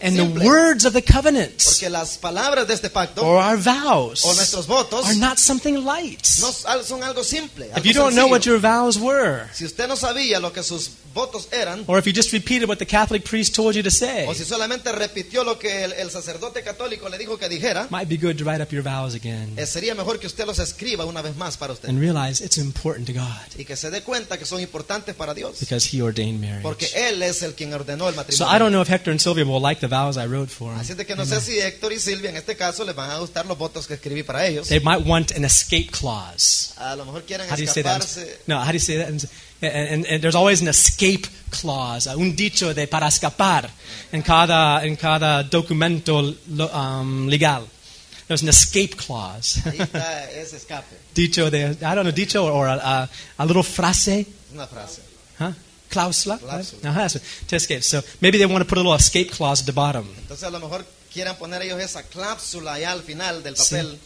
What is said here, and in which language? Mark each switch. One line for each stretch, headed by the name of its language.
English: and simple. The words of the covenant,
Spanish: porque las palabras de este pacto,
English: or our vows,
Spanish: o nuestros votos,
English: are not something light.
Spanish: No son algo simple, algo
English: if you don't Know what your vows were,
Spanish: si usted no sabía lo que sus votos eran,
English: or if you just repeated what the Catholic priest told you to say,
Spanish: o si solamente repitió lo que el sacerdote católico le dijo que dijera,
English: might be good to write up your vows again.
Spanish: Sería mejor que usted los escriba una vez más para usted.
English: And realize it's important to God.
Spanish: Y que se dé cuenta que son importantes para Dios.
English: Because He ordained marriage.
Spanish: Porque él es el quien ordenó el matrimonio.
English: So I don't know if Hector and Sylvia will like the vows I wrote for them.
Spanish: Así de que no sé si Héctor y Silvia en este caso les van a gustar los votos que escribí para ellos.
English: They might want an escape clause.
Spanish: A lo mejor quieren escaparse.
English: No, how do you say that? And there's always an escape clause,
Spanish: un dicho de para escapar en cada documento legal.
English: There's an escape clause.
Spanish: Ahí está ese escape. Dicho de,
English: I don't know, dicho or a little frase.
Spanish: Una frase. Huh? Clausula. Clausula.
English: Right? Uh-huh, to escape. So maybe they want to put a little escape clause at the bottom.
Spanish: Entonces a lo mejor quieren poner ellos esa clápsula allá al final del papel.